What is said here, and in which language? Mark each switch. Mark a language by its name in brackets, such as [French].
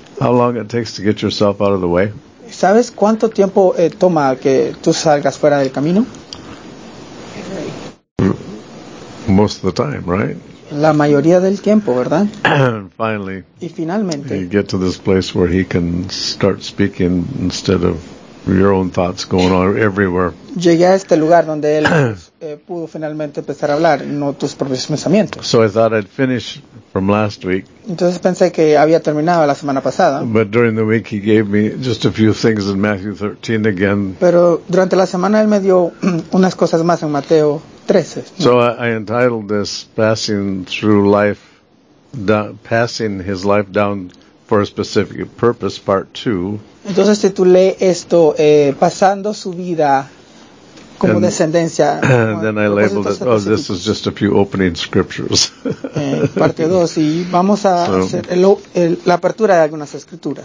[English] How long it takes to get yourself out of the way? [Spanish] ¿Sabes cuánto tiempo toma que tú salgas fuera del camino? [English] Most of the time, right? [Spanish] La mayoría del tiempo, ¿verdad? [English] Finally. [Spanish] Y finalmente. [English] You get to this place where he can start speaking instead of your own thoughts going on everywhere. [Spanish] Llegué a este lugar donde él pudo finalmente empezar a hablar, no tus propios pensamientos. [English] So I thought I'd finish from last week. [Spanish] Entonces pensé que había terminado la semana pasada. [English] But during the week he gave me just a few things in Matthew 13 again. [Spanish] Pero durante la semana él me dio unas cosas más en Mateo 13. [English] So I entitled this passing through life, passing his life down for a specific purpose, part 2. [Spanish] Entonces titulé esto, pasando su vida como and, descendencia. [English] And then I labeled it, oh, this is just a few opening scriptures. [Spanish] Parte 2, y vamos a hacer la apertura de algunas escrituras.